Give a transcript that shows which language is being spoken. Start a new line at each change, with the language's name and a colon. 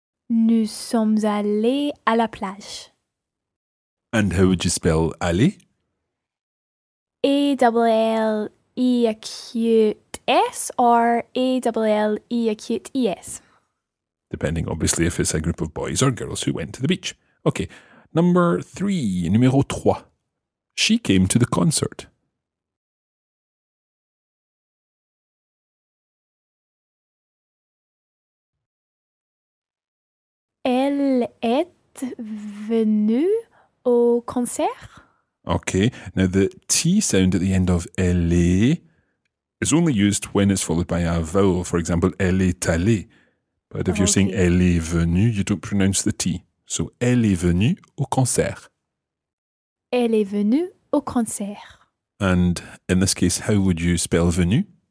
French: Nous sommes allés à la plage.
English: And how would you spell aller? A-L-L-E-A-Q-U-T-S or A-L-L-E-A-Q-U-T-E-S. Depending, obviously, if it's a group of boys or girls who went to the beach. Okay, number three,
French: numéro trois.
English: She came to the concert.
French: Elle est venue au concert.
English: Okay, now the T sound at the end of elle is only used when it's followed by a vowel. For example,
French: elle est allée.
English: But if you're saying
French: elle est venue,
English: you don't pronounce the T.
French: So, elle est venue au concert. Elle est venue au concert.
English: And in this case, how would you spell venue?